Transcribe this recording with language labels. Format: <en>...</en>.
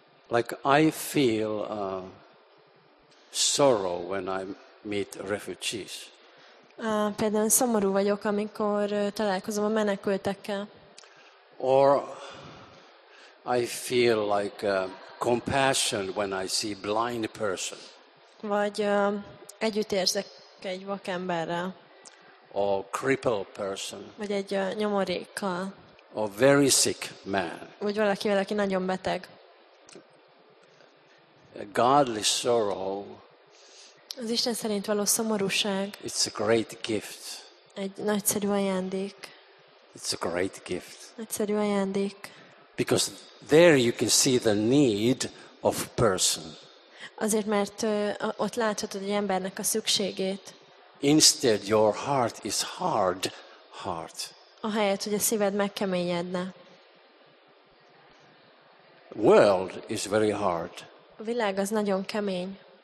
<en>Like I feel sorrow when I meet refugees.</en> <hu>Például szomorú vagyok, amikor találkozom a menekültekkel.</hu> <en>Or I feel like compassion when I see blind person.</en> <hu>Vagy együtt érzek egy vakemberrel.</hu> <en>Or crippled person.</en> <hu>Vagy egy nyomorékkal.</hu> <en>Or very sick man.</en> <hu>Vagy valakivel, aki nagyon beteg.</hu> <en>A godly sorrow.</en> <hu>Az Isten szerint való szomorúság.</hu> <en>It's a great gift.</en> <hu>Egy nagyszerű ajándék.</hu> <en>It's a great gift.</en> <hu>Nagyszerű ajándék.</hu> <en>Because there you can see the need of person.</en> <hu>Azért, mert ott láthatod egy embernek a szükségét.</hu> <en>Instead, your heart is hard heart.</en> <hu>Ahelyett, hogy a szíved megkeményedne.</hu> <en>World is very hard.</en> <hu>A világ az nagyon kemény.</hu>